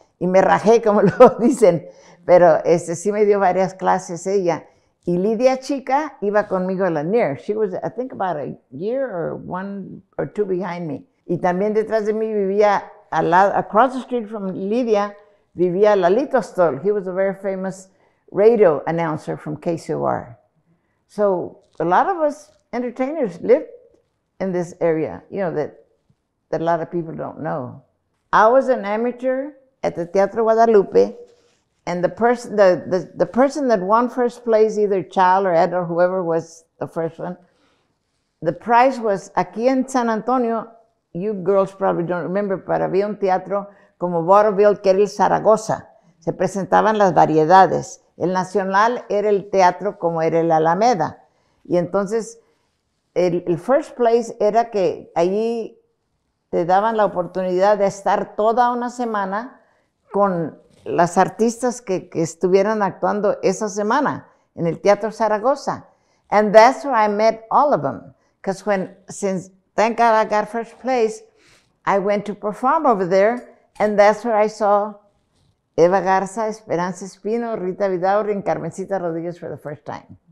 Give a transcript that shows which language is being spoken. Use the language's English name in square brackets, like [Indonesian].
[Spanish] Y me rajé, como lo dicen, pero sí me dio varias clases ella. Y Lidia Chica iba conmigo a Lanier. [English] She was, I think, about a year or one or two behind me. [Spanish] Y también detrás de mí vivía, [English] across the street from Lidia, [Spanish] vivía Lalito Stoll. [English] He was a very famous radio announcer from KCOR. So a lot of us entertainers lived in this area, you know, that a lot of people don't know. I was an amateur at the Teatro Guadalupe, and the person that won first place, either Child or Ed or whoever was the first one, the prize was, [Spanish] aquí en San Antonio, [English] you girls probably don't remember, but [Spanish] había un teatro como Vaudeville, que era el Zaragoza. Se presentaban las variedades. El Nacional era el teatro como era el Alameda. Y entonces, el [English] first place [Spanish] era que allí te daban la oportunidad de estar toda una semana con las artistas que estuvieran actuando esa semana en el Teatro Zaragoza. [English] And that's where I met all of them. Because thank God I got first place, I went to perform over there, and that's where I saw Eva Garza, Esperanza Espino, Rita Vidaurri, and Carmencita Rodriguez for the first time.